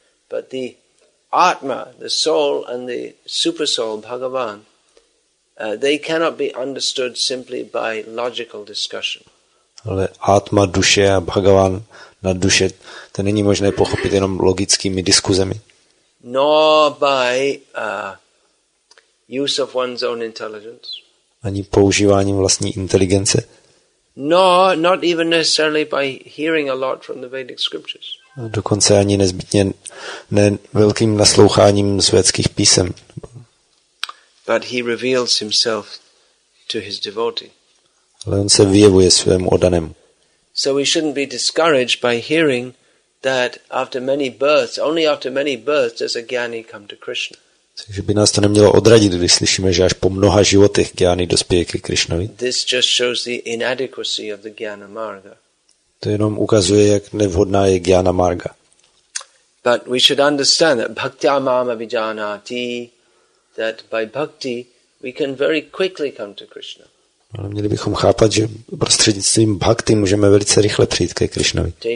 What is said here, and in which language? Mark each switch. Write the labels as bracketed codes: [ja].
[en] But the atma, the soul and the super soul, Bhagavan, they cannot be understood simply by logical discussion. [cs] Ale atma, duše a Bhagavan na duše, to není možné pochopit jenom logickými diskuzemi. [en] Nor by use of one's own intelligence. [cs] Ani používáním vlastní inteligence. [en] Nor not even necessarily by hearing a lot from the Vedic scriptures. [cs] Dokonce ani nezbytně ne velkým nasloucháním z vědských písem. [en] But he reveals himself to his devotee. [cs] Ale on se vyjevuje svému odanému. [en] So we shouldn't be discouraged by hearing that after many births, only after many births does a gyani come to Krishna. [cs] Takže by nás to nemělo odradit, když slyšíme, že až po mnoha životech gyani dospěje ke Krishnovi. [en] This just shows the inadequacy of the gyana marga. [cs] To jenom ukazuje, jak nevhodná je gyana marga. [en] But we should understand that [sa] bhaktya mam abhijanati, [en] that by bhakti we can very quickly come to Krishna. [cs] Ale měli bychom chápat, že prostřednictvím bhakti můžeme velice rychle přijít ke Krishnovi.